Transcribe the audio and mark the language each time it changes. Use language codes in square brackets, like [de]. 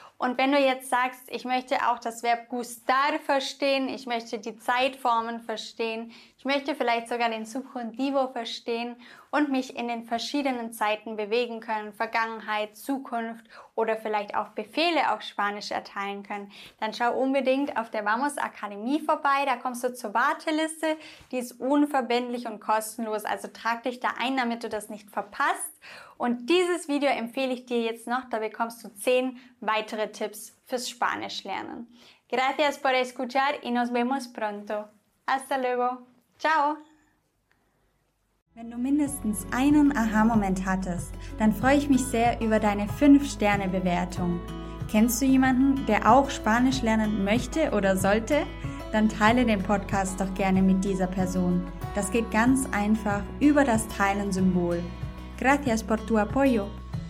[de] Und wenn du jetzt sagst, ich möchte auch das Verb gustar verstehen, ich möchte die Zeitformen verstehen, ich möchte vielleicht sogar den Subjuntivo verstehen und mich in den verschiedenen Zeiten bewegen können, Vergangenheit, Zukunft oder vielleicht auch Befehle auf Spanisch erteilen können, dann schau unbedingt auf der Vamos Akademie vorbei. Da kommst du zur Warteliste. Die ist unverbindlich und kostenlos. Also trag dich da ein, damit du das nicht verpasst. Und dieses Video empfehle ich dir jetzt noch. Da bekommst du 10 weitere Tipps fürs Spanischlernen. [es] Gracias por escuchar y nos vemos pronto. Hasta luego. Ciao. [de] Wenn du mindestens einen Aha-Moment hattest, dann freue ich mich sehr über deine 5-Sterne-Bewertung. Kennst du jemanden, der auch Spanisch lernen möchte oder sollte? Dann teile den Podcast doch gerne mit dieser Person. Das geht ganz einfach über das Teilen-Symbol. [es] Gracias por tu apoyo.